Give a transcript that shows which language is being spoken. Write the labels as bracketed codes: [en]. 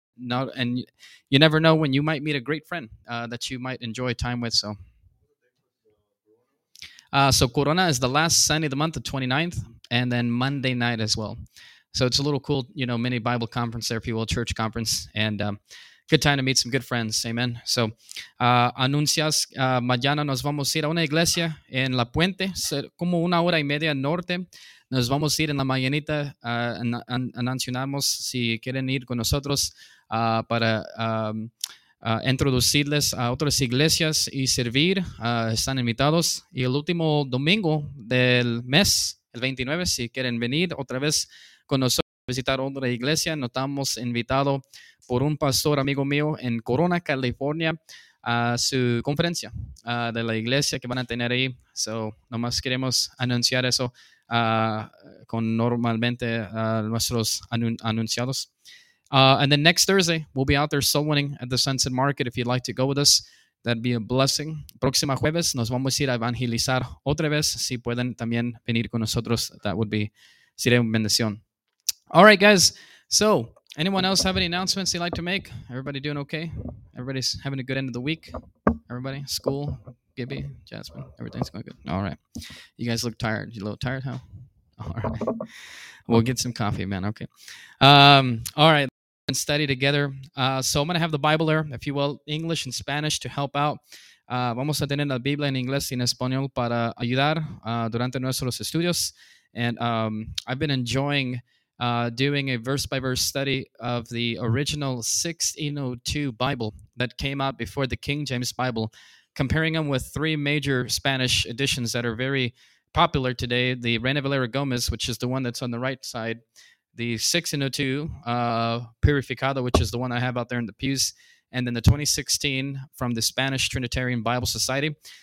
[en] Not, and you never know when you might meet a great friend that you might enjoy time with. So Corona is the last Sunday of the month, the 29th, and then Monday night as well. So it's a little cool, you know, mini Bible conference there, if you will, church conference, and good time to meet some good friends. Amen. [es] So, anuncias, mañana nos vamos a ir a una iglesia en La Puente, como una hora y media norte. Nos vamos a ir en la mañanita, anuncionamos si quieren ir con nosotros para introducirles a otras iglesias y servir, están invitados. Y el último domingo del mes, el 29, si quieren venir otra vez con nosotros a visitar otra iglesia, nos estamos invitados por un pastor amigo mío en Corona, California, a su conferencia de la iglesia que van a tener ahí. So, nomás queremos anunciar eso con normalmente nuestros anunciados. [en] And then next Thursday, we'll be out there soul winning at the Sunset Market. If you'd like to go with us, that'd be a blessing. [es] Próxima jueves, nos vamos a ir a evangelizar otra vez. Si pueden también venir con nosotros, [en] that would be, [es] sería una bendición. [en] All right, guys. So, anyone else have any announcements you'd like to make? Everybody doing okay? Everybody's having a good end of the week? Everybody? School? Gibby? Jasmine? Everything's going good? All right. You guys look tired. You a little tired, huh? All right. We'll get some coffee, man. Okay. All right. And study together. So I'm going to have the Bible there, if you will, English and Spanish to help out. [es] Vamos a tener la Biblia en inglés y en español para ayudar durante nuestros estudios. [en] And I've been enjoying doing a verse-by-verse study of the original 1602 Bible that came out before the King James Bible, comparing them with three major Spanish editions that are very popular today: the Reina Valera Gomez, which is the one that's on the right side, the 1602 Purificado, which is the one I have out there in the pews, and then the 2016 from the Spanish Trinitarian Bible Society.